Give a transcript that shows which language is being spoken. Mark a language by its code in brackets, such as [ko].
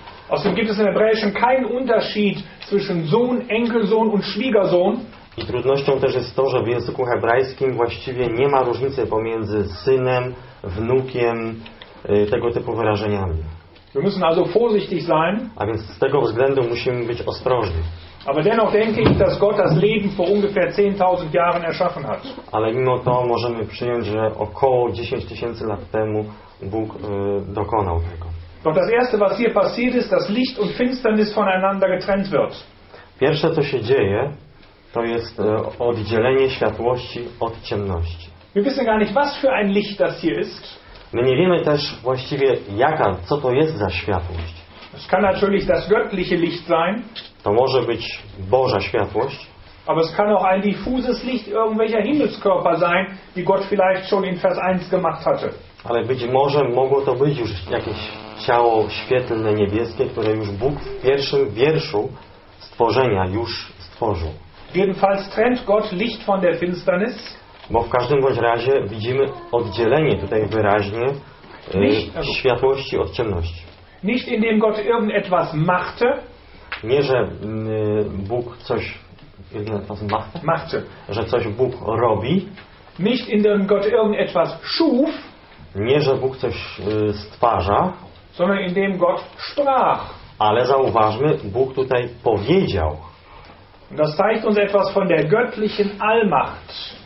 [de] Außerdem gibt es im Hebräischen keinen Unterschied zwischen Sohn, Enkelsohn und Schwiegersohn. [pl] I trudnością też jest to, że w języku hebrajskim właściwie nie ma różnicy pomiędzy synem, wnukiem, tego typu wyrażeniami. [de] Wir müssen also vorsichtig sein. [pl] A więc z tego względu musimy być ostrożni. [de] Aber dennoch denke ich, dass Gott das Leben vor ungefähr 10.000 Jahren erschaffen hat. [pl] Ale mimo to możemy przyjąć, że około 10 tysięcy lat temu Bóg dokonał tego. [de] Doch das erste, was hier passiert ist, dass Licht und Finsternis voneinander getrennt wird. [pl] Pierwsze, co się dzieje, to jest oddzielenie światłości od ciemności. [de] Wir wissen gar nicht, was für ein Licht das hier ist. [pl] My nie wiemy też właściwie, co to jest za światłość. [de] Es kann natürlich das göttliche Licht sein. [pl] To może być Boża światłość. [de] Aber es kann auch ein diffuses Licht irgendwelcher Himmelskörper sein, die Gott vielleicht schon in Vers 1 gemacht hatte. [pl] Ale być może mogło to być już jakieś ciało świetlne, niebieskie, które już Bóg w pierwszym wierszu stworzenia już stworzył. [de] Jedenfalls trennt Gott Licht von der Finsternis. [pl] Bo w każdym bądź razie widzimy oddzielenie tutaj wyraźnie światłości od ciemności. [de] Nicht indem Gott irgendetwas machte. [pl] Nie, że Bóg coś [de] machte. [pl] Że coś Bóg robi. [de] Nicht indem Gott irgendetwas schuf. [pl] Nie, że Bóg coś stwarza, [de] sondern indem Gott sprach. [pl] Ale zauważmy, Bóg tutaj powiedział. [de] Und das zeigt uns etwas von der göttlichen Allmacht.